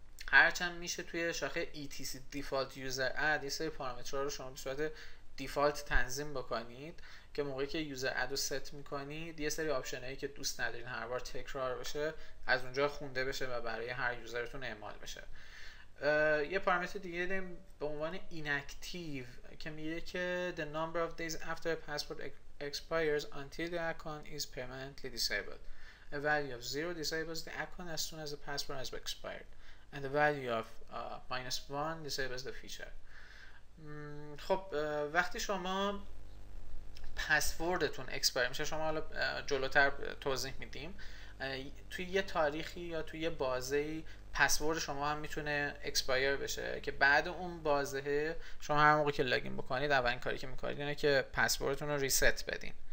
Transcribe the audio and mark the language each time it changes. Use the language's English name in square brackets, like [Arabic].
[Persian] هرچند میشه توی شاخه ETC Default User Add یه سری پارامترها رو شما به صورت دیفالت تنظیم بکنید که موقعی که یوزر اد رو ست میکنید یه سری آپشنایی که دوست ندارین هر بار تکرار بشه از اونجا خونده بشه و برای هر یوزرتون اعمال بشه. یه پارامتر دیگه داریم به عنوان اینکتیو که میگه که [English] the number of days after a passport expires until the account is permanently disabled. A value of 0 disables the account as soon as the passport has expired. And the value of minus 1 disables the feature. [Persian] خب وقتی شما پسوردتون اکسپایر میشه، شما حالا جلوتر توضیح میدیم، توی یه تاریخی یا توی یه بازه پسورد شما هم میتونه اکسپایر بشه که بعد اون بازه شما هر موقع که لاگین بکنید اولین کاری که میکنید اینه که پسوردتون رو ریست بدین.